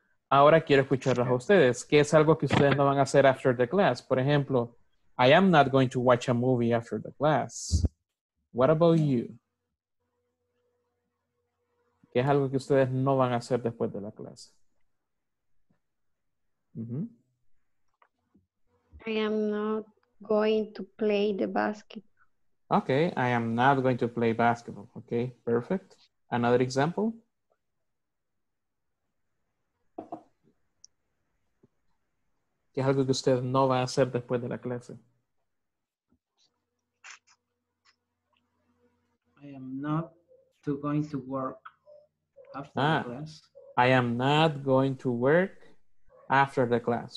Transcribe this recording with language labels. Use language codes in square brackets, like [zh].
[es] Ahora quiero escucharlos a ustedes. ¿Qué es algo que ustedes no van a hacer [en] after the class? [es] Por ejemplo, [en] I am not going to watch a movie after the class. What about you? [es] ¿Qué es algo que ustedes no van a hacer después de la clase? Mm-hmm. [en] I am not going to play the basketball. Okay, I am not going to play basketball. Okay, perfect. Another example? [es] ¿Qué es algo que usted no va a hacer después de la clase? [en] I am not to going to work after the class. I am not going to work after the class.